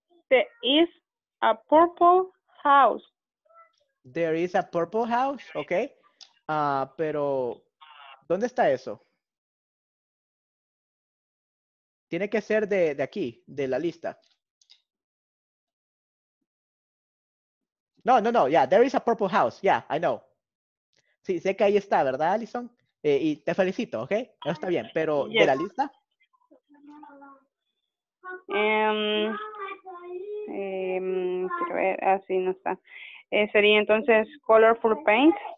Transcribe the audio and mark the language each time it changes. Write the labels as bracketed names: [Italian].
[English] There is a purple house. There is a purple house, okay. [Spanish] Pero, ¿dónde está eso? Tiene que ser de aquí, de la lista. [English] No, yeah, there is a purple house, yeah, I know. [Spanish] Sí, sé que ahí está, ¿verdad, Allison? Y te felicito, okay, eso está bien, pero yes. ¿De la lista? Quiero ver, así no está. Sería entonces colorful paint.